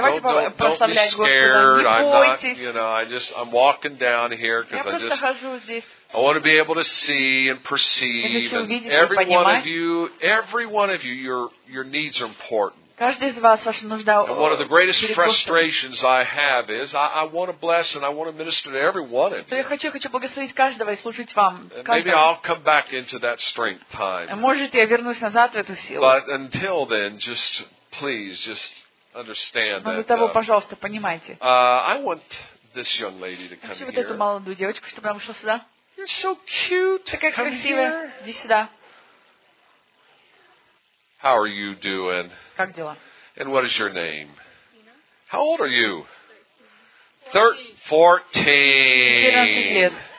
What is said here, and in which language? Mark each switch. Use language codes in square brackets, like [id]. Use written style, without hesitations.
[en] Don't be scared. I'm walking down here because I want to be able to see and perceive. And every one of you, your needs are important. And one of the greatest frustrations I have is I want to bless and I want to minister to every one of you. [ru] Хочу благословить каждого и служить вам. [en] Maybe I'll come back into that strength time. [ru] Может, я вернусь назад в эту силу. [en] But until then, just please understand that. [ru] Но до того, пожалуйста, понимайте. [en] I want this young lady to come here. [ru] Вот эту молодую девочку, чтобы она пришла сюда. [en] You're so cute. [ru] Такая красивая. Иди сюда. [en] How are you doing? [ru] Как дела? [en] And what is your name? How old are you? 14.